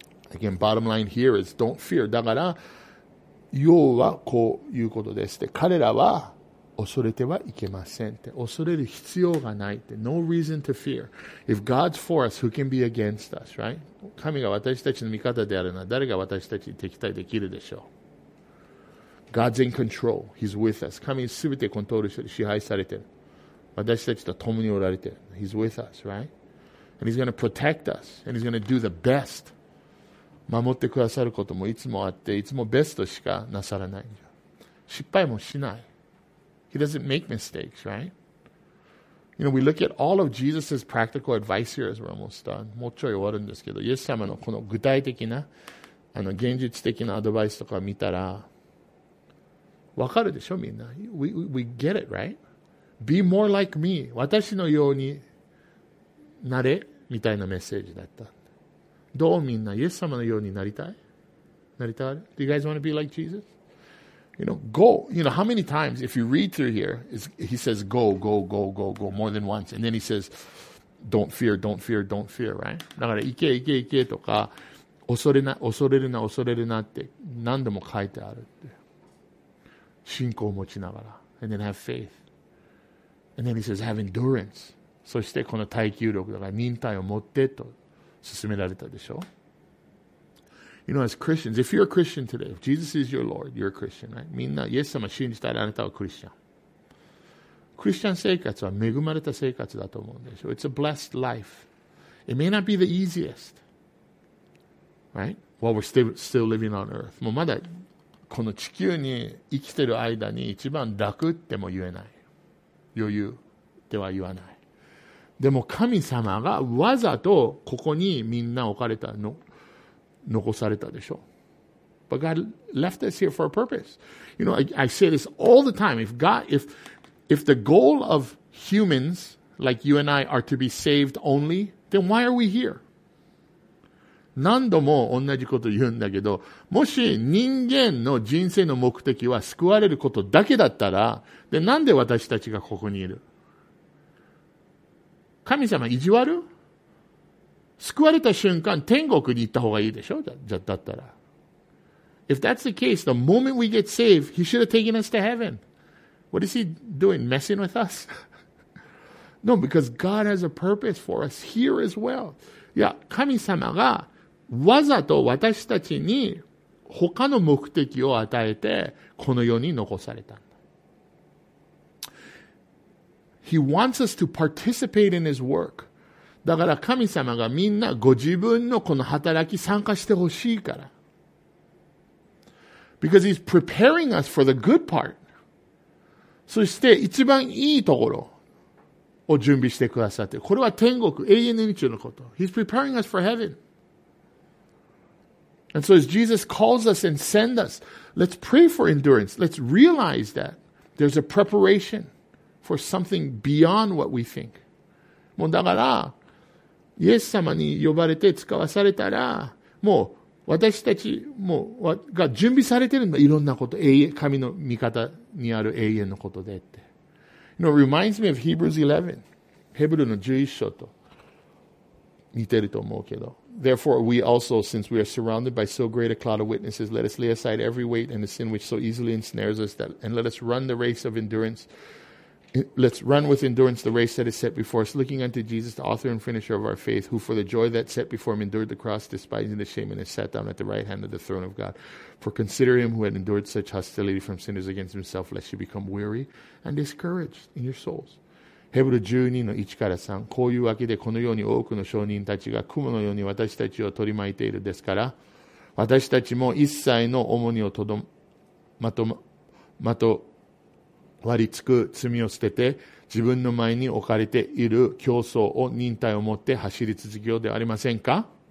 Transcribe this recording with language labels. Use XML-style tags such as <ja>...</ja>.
<en>Again, bottom line here is don't fear.</en> <ja>だから、要はこういうことです。で、彼らは恐れてはいけませんって。恐れる必要がないって。</ja> <en>No reason to fear. If God's for us, who can be against us, right?</en> <ja>神が私たちの味方であるのは誰が私たちに敵対できるでしょう。</ja> <en>God's in control. He's with us.</en> <ja>神すべてコントロールしてる、支配されてる。私たちと共におられてる。</ja> <en>He's with us, right? And He's going to protect us. And He's going to do the best.</en> <ja>守ってくださることもいつもあって、いつもベストしかなさらない。失敗もしない。</ja> <en>He doesn't make mistakes, right? You know, we look at all of Jesus' practical advice here as we're almost done.</en> <ja>もうちょい終わるんですけど、イエス様のこの具体的な、あの現実的なアドバイスとか見たら、わかるでしょ、みんな。</ja> <en>We get it, right? Be more like me.</en> <ja>私のようになれみたいなメッセージだった。どうみんな、イエス様のようになりたい？なりたい？</ja> <en>Do you guys want to be like Jesus? You know, go. You know, how many times, if you read through here, he says, go, go, go, go, go, more than once. And then he says, don't fear, don't fear, don't fear, right?</en> <ja>だから、行け、行け、行けとか、恐れるな、恐れるなって何度も書いてあるって。信仰を持ちながら。</ja> <en>And then have faith. And then he says, have endurance.</en> <ja>そして、この耐久力だから、忍耐を持ってと勧められたでしょ。</ja> <en>You know, as Christians, if you're a Christian today, if Jesus is your Lord, you're a Christian, right?</en> <ja>みんな、イエス様信じたらあなたはクリスチャン。クリスチャン生活は恵まれた生活だと思うんでしょ。</ja> <en>It's a blessed life. It may not be the easiest, right? While we're still living on earth.</en> <ja>もうまだこの地球に生きてる間に一番楽っても言えない。余裕では言わない。でも神様がわざとここにみんな置かれたの。残されたでしょ。</ja> <en>But God left us here for a purpose. You know, I say this all the time. If the goal of humans like you and I are to be saved only, then why are we here?</en> <ja>何度も同じこと言うんだけど、もし人間の人生の目的は救われることだけだったら、でなんで私たちがここにいる？神様意地悪？救われた瞬間、天国に行った方がいいでしょ？だったら。</ja> <en>If that's the case, the moment we get saved, he should have taken us to heaven. What is he doing? Messing with us? No, because God has a purpose for us here as well.</en> <ja>いや、神様がわざと私たちに他の目的を与えてこの世に残された。</ja> <en>He wants us to participate in his work.</en> <ja>だから神様がみんなご自分のこの働き参加してほしいから。</ja> <en>Because he's preparing us for the good part.</en> <ja>そして一番いいところを準備してくださって。これは天国、永遠の命のこと。</ja> <en>He's preparing us for heaven. And so as Jesus calls us and sends us, let's pray for endurance. Let's realize that there's a preparation for something beyond what we think.</en> <ja>もうだから、イエス様に呼ばれて使わされたら、もう私たちもうが準備されてるんだ。いろんなこと、永遠、神の味方にある永遠のことでって。</ja> <en>You know, it reminds me of Hebrews 11.</en> <ja>ヘブルの11章と似てると思うけど。</ja> <en>Therefore, we also, since we are surrounded by so great a cloud of witnesses, let us lay aside every weight and the sin which so easily ensnares us, and let us run the race of endurance. Let's run with endurance the race that is set before us, looking unto Jesus, the author and finisher of our faith, who for the joy that set before him endured the cross, despising the shame, and has sat down at the right hand of the throne of God. For consider him who had endured such hostility from sinners against himself, lest you become weary and discouraged in your souls.</en> <ja>ヘブル12の1から3、こういうわけでこのように多くの証人たちが雲のように私たちを取り巻いているですから、私たちも一切の重荷をとどまとまと割りつく罪を捨てて自分の前に置かれている競争を忍耐を持って走り続けようではありませんか。</ja>